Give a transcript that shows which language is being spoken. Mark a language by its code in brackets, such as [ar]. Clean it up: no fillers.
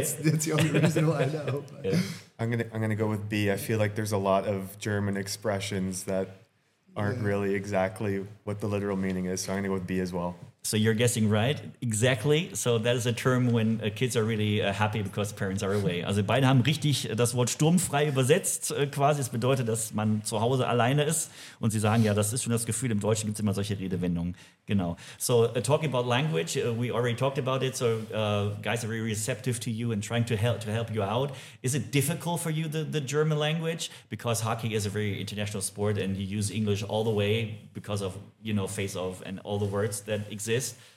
[en] That's the only reason why I know. Yeah. I'm going to go with B. I feel like there's a lot of German expressions that aren't really exactly what the literal meaning is. So I'm going to go with B as well. So you're guessing right, exactly. So that is a term when kids are really happy because parents are away. [de] Also beide haben richtig das Wort sturmfrei übersetzt quasi. Es bedeutet, dass man zu Hause alleine ist. Und sie sagen, ja, das ist schon das Gefühl. Im Deutschen gibt es immer solche Redewendungen. Genau. [en] So talking about language, we already talked about it. So guys are very receptive to you and trying to help you out. Is it difficult for you, the German language? Because hockey is a very international sport and you use English all the way because of, you know, face off and all the words that exist.